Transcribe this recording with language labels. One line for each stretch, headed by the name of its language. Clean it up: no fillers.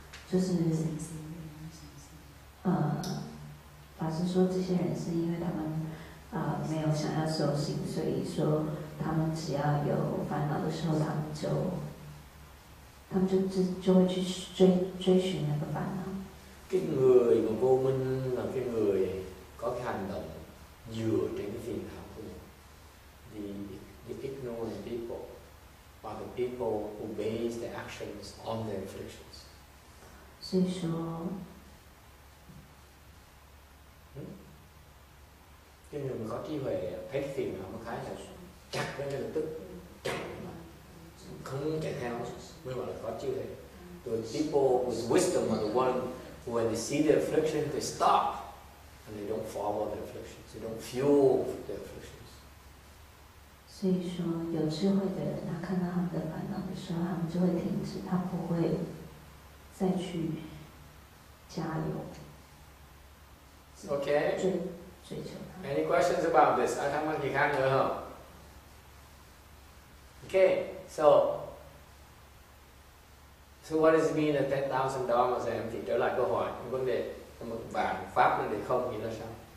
Chinese: 就是法师说这些人是因为他们没有想要修行，所以说他们只要有烦恼的时候，他们就会去追寻那个烦恼。
Vietnamese: cái người mà vô minh là cái người có cái hành động dựa trên cái phiền não của mình,
English: the ignorant people or the people who base their actions on their afflictions.
Chinese: 所以说，
Vietnamese: cái người mà có trí huệ thấy phiền não một cái là chặt cái ngay lập tức chặt mà không chạy theo, mới gọi là có trí huệ.
English: The people with wisdom are the one when they see the affliction, they stop and they don't follow the afflictions. They don't fuel the afflictions.
Chinese: 所以说，有智慧的人，他看到他们的烦恼的时候，他们就会停止，他不会再去加油。
English: Okay.
Chinese: 追求
English: 他。Any questions about this? I have one question. Okay. So what does it mean that 10,000 dharmas are empty?
Vietnamese: Trở lại câu hỏi, cái vấn đề một bản pháp nó để không thì nó sao?